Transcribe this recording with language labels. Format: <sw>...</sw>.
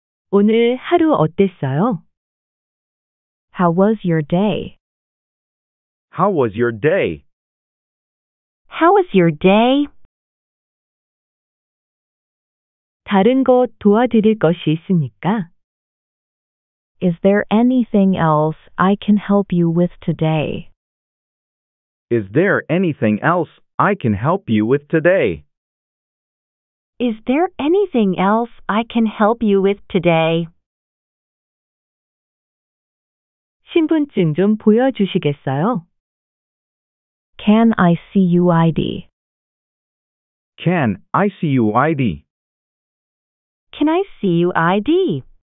<ko>오늘 하루 어땠어요?</ko> <en>How was your day? How was your day? How was your day?</en> <ko>다른 거 도와드릴 것이 있습니까?</ko> <en>Is there anything else I can help you with today? Is there anything else I can help you with today? Is there anything else I can help you with today?</en> <ko>신분증 좀 보여주시겠어요?</ko> <en>Can I see you ID? Can I see you ID? Can I see you ID?</en>